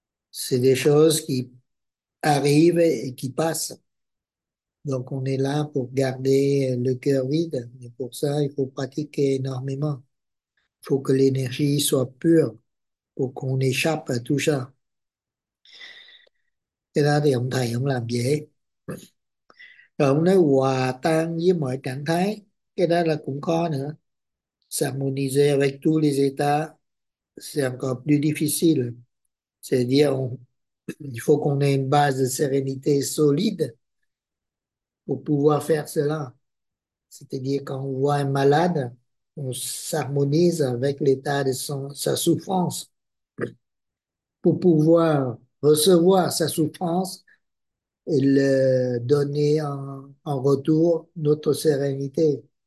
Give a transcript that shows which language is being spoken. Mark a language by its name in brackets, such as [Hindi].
[French] C'est des choses qui arrivent et qui passent. Donc on est là pour garder le cœur vide, mais pour ça, il faut pratiquer énormément. Il faut que l'énergie soit pure pour qu'on échappe à tout ça. [Vietnamese] Cái đó thì ông thầy không làm dễ. Rồi ông nói hòa tan với mọi trạng thái. Cái đó là cũng khó nữa. [French] S'harmoniser avec tous les états, c'est encore plus difficile. C'est-à-dire, il faut qu'on ait une base de sérénité solide pour pouvoir faire cela. C'est-à-dire, quand on voit un malade, on s'harmonise avec l'état de sa souffrance pour pouvoir recevoir sa souffrance et le donner en retour notre sérénité.